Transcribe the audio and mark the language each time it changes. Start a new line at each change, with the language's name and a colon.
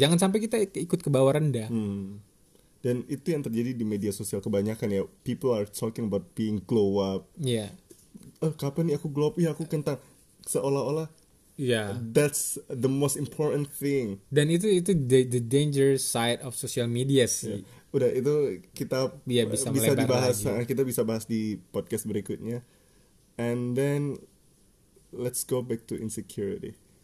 Indonesian: Jangan sampai kita ikut ke bawah rendah. Dan itu yang terjadi di media sosial kebanyakan ya.
English: People are talking about being glow up.
Indonesian: Iya. Yeah. Kapan nih aku glow up? Ya aku kentang. Seolah-olah. Iya.
English: Yeah. That's the most important thing.
Indonesian: Dan itu
English: the dangerous side of social media
Indonesian: sih.
English: Yeah.
Indonesian: Udah itu kita bisa dibahas. Lagi. Kita bisa bahas di podcast berikutnya.
English: And then let's go back to insecurity.